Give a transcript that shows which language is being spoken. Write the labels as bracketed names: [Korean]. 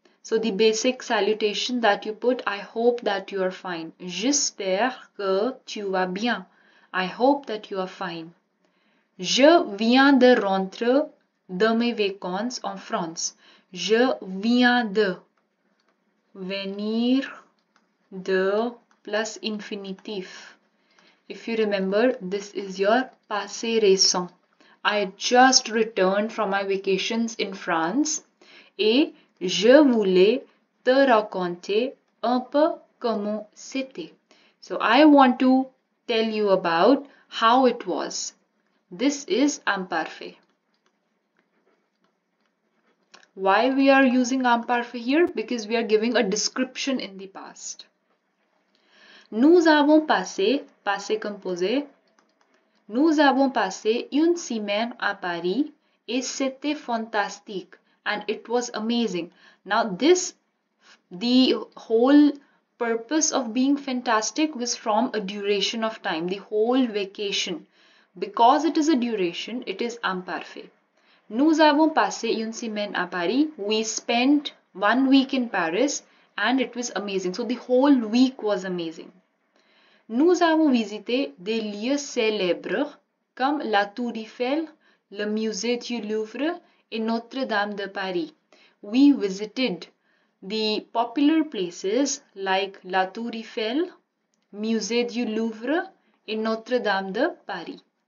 [English] So, the basic salutation that you put, I hope that you are fine. [French] J'espère que tu vas bien. [English] I hope that you are fine. [French] Je viens de rentrer de mes vacances en France. Je viens de venir de plus infinitif. [English] If you remember, this is your passé récent. I just returned from my vacations in France [French] et je voulais te raconter un peu comment c'était. [English] So I want to tell you about how it was. This is imparfait. Why we are using imparfait here? Because we are giving a description in the past. [French] Nous avons passé, passé composé. Nous avons passé une semaine à Paris et c'était fantastique. [English] And it was amazing. Now this, the whole purpose of being fantastic was from a duration of time, the whole vacation. Because it is a duration, it is imparfait. [French] Nous avons passé une semaine à Paris. [English] We spent 1 week in Paris and it was amazing. So the whole week was amazing. [French] Nous avons visité des lieux célèbres comme la Tour Eiffel, le Musée du Louvre et Notre-Dame de Paris. [English] We visited the popular places like la Tour Eiffel, Musée du Louvre et Notre-Dame de Paris.